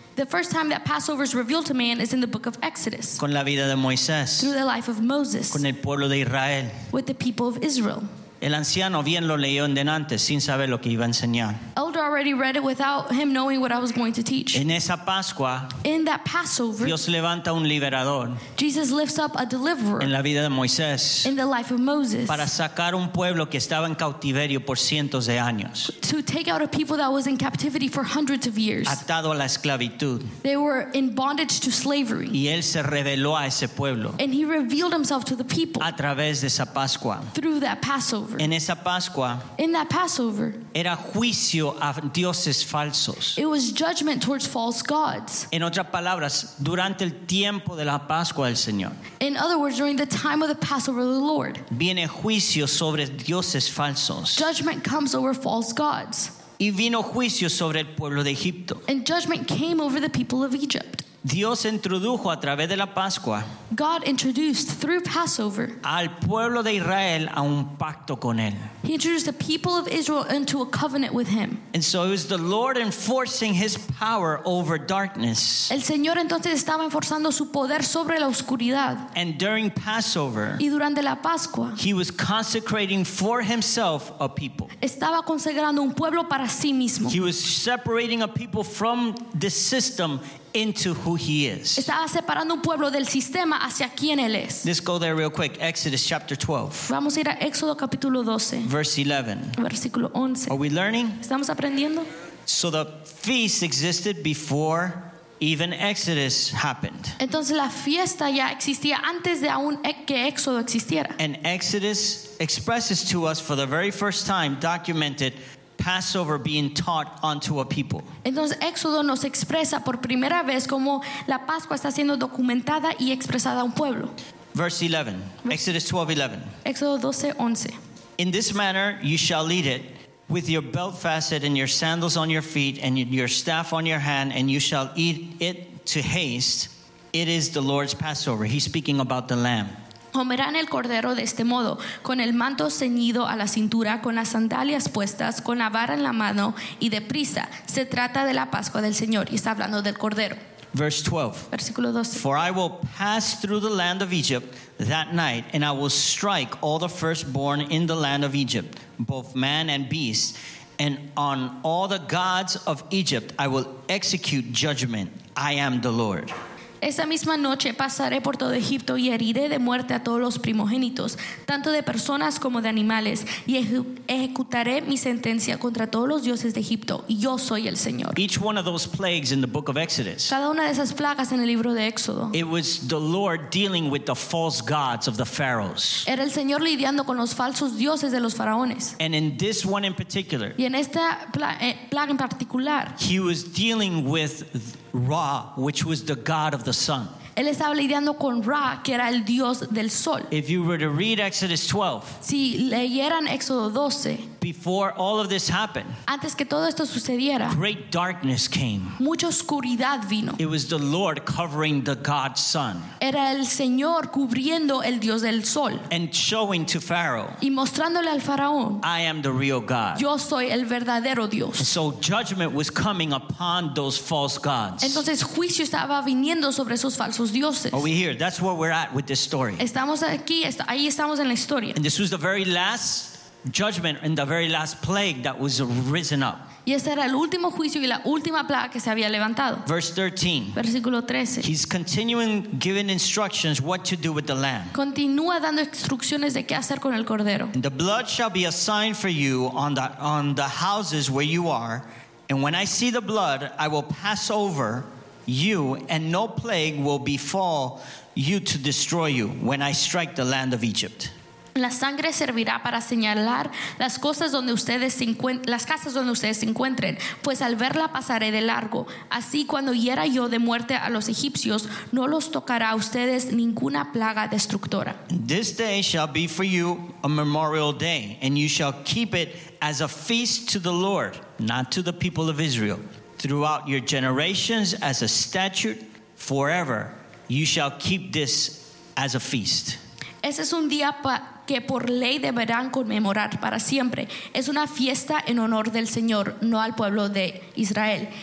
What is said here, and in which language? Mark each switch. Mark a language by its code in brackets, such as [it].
[en] The first time that Passover is revealed to man is in the book of Exodus. [es] Con la vida de Moisés. [en] Through the life of Moses. [es] Con el pueblo de Israel. [en] With the people of Israel. [es] El anciano bien lo leyó en delante sin saber lo que iba a enseñar. [en] Elder already read it without him knowing what I was going to teach. [es] En esa Pascua, [en] in that Passover, [es] Dios levanta un liberador. [en] Jesus lifts up a deliverer. [es] En la vida de Moisés. [en] In the life of Moses. [es] Para sacar un pueblo que estaba en cautiverio por cientos de años. [en] To take out a people that was in captivity for hundreds of years. [es] Atado a la esclavitud. [en] They were in bondage to slavery. [es] Y él se reveló a ese pueblo. [en] And he revealed himself to the people. [es] A través de esa Pascua. [en] Through that Passover. [es] En esa Pascua, [en] in that Passover, [es] era juicio a dioses falsos. [en] It was judgment towards false gods. [es] En otras palabras, durante el tiempo de la Pascua del Señor. [en] In other words, during the time of the Passover of the Lord. [es] Viene juicio sobre dioses falsos. [en] Judgment comes over false gods. [es] Y vino juicio sobre el pueblo de Egipto. [en] And judgment came over the people of Egypt. [es] Dios introdujo a través de la Pascua. [en] God introduced through Passover. [es] Al pueblo de Israel a un pacto con él. [en] He introduced the people of Israel into a covenant with him. And so it was the Lord enforcing his power over darkness. [es] El Señor entonces estaba enforzando su poder sobre la oscuridad. [en] And during Passover. [es] Y durante la Pascua. [en] He was consecrating for himself a people. [es] Estaba consagrando un pueblo para sí mismo. [en] He was separating a people from the system into who he is. [es] Estaba separando un pueblo del sistema hacia quien él es. [en] Let's go there real quick. Exodus chapter 12. [es] Vamos a ir a Éxodo capítulo 12. [en] Verse 11. [es] Versículo 11. [en] Are we learning? [es] Estamos aprendiendo. [en] So the feast existed before even Exodus happened. [es] Entonces la fiesta ya existía antes de aún que Éxodo existiera. [en] And Exodus expresses to us for the very first time documented Passover being taught unto a people. [es] Entonces Éxodo nos expresa por primera vez cómo la Pascua está siendo documentada y expresada a un pueblo. [en] Verse 11. Exodus 12:11. [es] Éxodo 12:11. [en] In this manner you shall eat it, with your belt fastened and your sandals on your feet and your staff on your hand, and you shall eat it to haste. It is the Lord's Passover. He's speaking about the lamb. [es] Comerán el cordero de este modo, con el manto ceñido a la cintura, con las sandalias puestas, con la vara en la mano y deprisa. Se trata de la Pascua del Señor y está hablando del cordero. [en] Verse 12. [es] Versículo 12. [en] For I will pass through the land of Egypt that night, and I will strike all the firstborn in the land of Egypt, both man and beast, and on all the gods of Egypt I will execute judgment. I am the Lord. [es] Esa misma noche pasaré por todo Egipto y heriré de muerte a todos los primogénitos, tanto de personas como de animales, y ejecutaré mi sentencia contra todos los dioses de Egipto, y yo soy el Señor. [en] Each one of those plagues in the book of Exodus. [es] Cada una de esas plagas en el libro de Éxodo. [en] It was the Lord dealing with the false gods of the pharaohs. [es] Era el Señor lidiando con los falsos dioses de los faraones. [en] And in this one in particular. [es] Y en esta plaga en particular. [en] He was dealing with Ra, which was the god of the sun. [es] Él estaba lidiando con Ra, que era el dios del sol. [en] If you were to read Exodus 12, [es] si leyeran Éxodo 12, [en] before all of this happened, [es] antes que todo esto sucediera, [en] great darkness came. [es] Mucha oscuridad vino. [en] It was the Lord covering the god sun. [es] Era el Señor cubriendo el dios del sol. [en] And showing to Pharaoh, [es] y mostrándole al faraón, [en] I am the real God. [es] Yo soy el verdadero dios. [en] So judgment was coming upon those false gods. [es] Entonces juicio estaba viniendo sobre esos falsos dioses. [en] Are we here? That's where we're at with this story. [es] Estamos aquí, ahí estamos en la historia. [en] And this was the very last judgment and the very last plague that was risen up. [es] Y ese era el último juicio y la última plaga que se había levantado. [en] Verse 13. [es] Versículo 13. [en] He's continuing giving instructions what to do with the lamb. [es] Continúa dando instrucciones de qué hacer con el cordero. [en] And the blood shall be a sign for you on the houses where you are, and when I see the blood, I will pass over, you, and no plague will befall you to destroy you when I strike the land of Egypt. [es] La sangre servirá para señalar las cosas donde ustedes se encuentren, las casas donde ustedes se encuentren, pues al verla pasaré de largo. Así cuando hiera yo de muerte a los egipcios, no los tocará a ustedes ninguna plaga destructora. [en] This day shall be for you a memorial day, and you shall keep it as a feast to the Lord, not to the people of Israel, throughout your generations as a statute forever. You shall keep this as a feast. [es] Ese es un día que por ley deberán conmemorar para siempre. Es una fiesta en honor del Señor, no al pueblo de Israel.